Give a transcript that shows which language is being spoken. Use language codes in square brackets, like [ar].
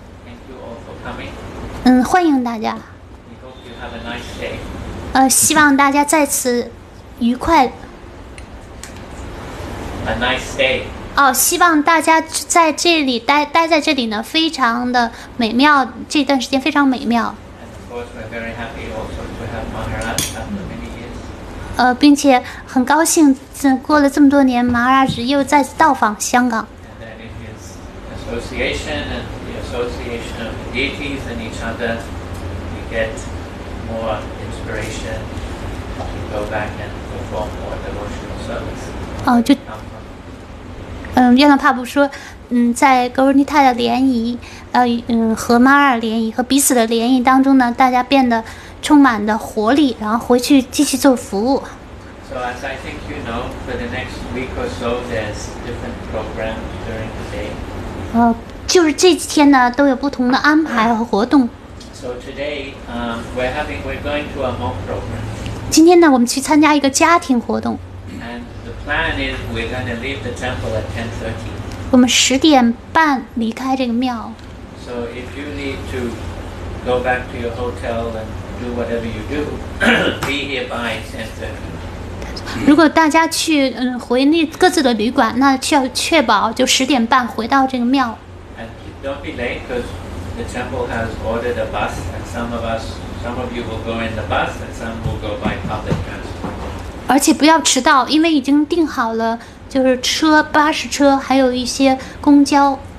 [en] Thank you all for coming. [zh] 欢迎大家。 [en] We hope you have a nice day. [zh] 希望大家在此愉快。 [en] A nice day. [zh] 希望大家在这里待在这里呢，非常的美妙。这段时间非常美妙。 [en] And of course, we're very happy also to have Maharaj after many years. [zh] 并且很高兴，过了这么多年，Maharaj又再次到访香港。 [en] And then in his association and the association of the deities and each other, we get more inspiration to go back and perform more devotional service. [zh] 约翰帕布说，在格鲁尼泰的联谊，和马尔联谊和彼此的联谊当中呢，大家变得充满的活力，然后回去继续做服务。 [en] So as I think you know, for the next week or so, there's different programs during the day. [zh] 就是这几天呢，都有不同的安排和活动。 [en] So today, we're going to a home program. [zh] 今天呢，我们去参加一个家庭活动。 [en] Plan is we're going to leave the temple at 10:30. [zh] 我们十点半离开这个庙。 [en] So if you need to go back to your hotel and do whatever you do, be here by 10:30. [zh] 如果大家去回那各自的旅馆，那需要确保就十点半回到这个庙。 [en] And don't be late because the temple has ordered a bus, and some of you will go in the bus, and some will go by public transport. [zh] 而且不要迟到，因为已经订好了，就是车、巴士车，还有一些公交。